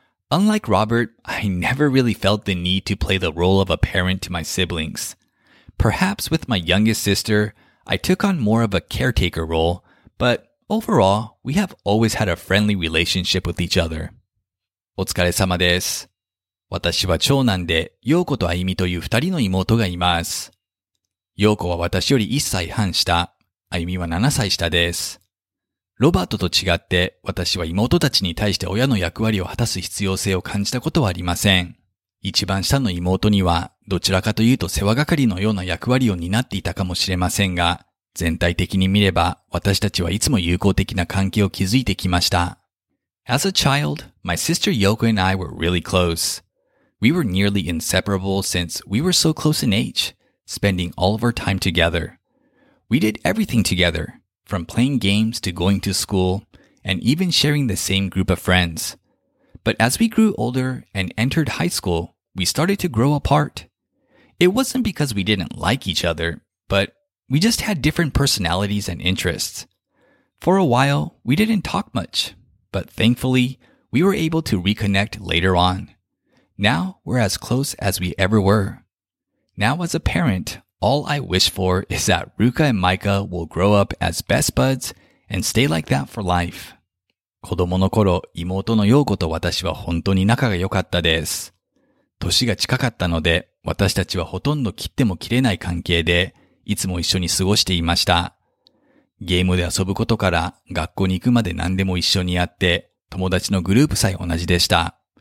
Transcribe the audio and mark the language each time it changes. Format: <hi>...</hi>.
<en>Unlike Robert, I never really felt the need to play the role of a parent to my siblings. Perhaps with my youngest sister, I took on more of a caretaker role, but overall, we have always had a friendly relationship with each other.</en> <ja>お疲れ様です。私は長男で、ヨーコとアユミという二人の妹がいます。ヨーコは私より一歳半下。あゆみは7歳下です。ロバートと違って、私は妹たちに対して親の役割を果たす必要性を感じたことはありません。一番下の妹には、どちらかというと世話係のような役割を担っていたかもしれませんが、全体的に見れば、私たちはいつも友好的な関係を築いてきました。</ja> <en>As a child, my sister Yoko and I were really close. We were nearly inseparable since we were so close in age, spending all of our time together. We did everything together, from playing games to going to school, and even sharing the same group of friends. But as we grew older and entered high school, we started to grow apart. It wasn't because we didn't like each other, but we just had different personalities and interests. For a while, we didn't talk much, but thankfully, we were able to reconnect later on. Now, we're as close as we ever were. Now, as a parent,All I wish for is that Ruka and Micah will grow up as best buds and stay like that for life.</en> <ja>子供の頃、妹のヨーコと私は本当に仲が良かったです。年が近かったので、私たちはほとんど切っても切れない関係で、いつも一緒に過ごしていました。ゲームで遊ぶことから、学校に行くまで何でも一緒にやって、友達のグループさえ同じでした。</ja>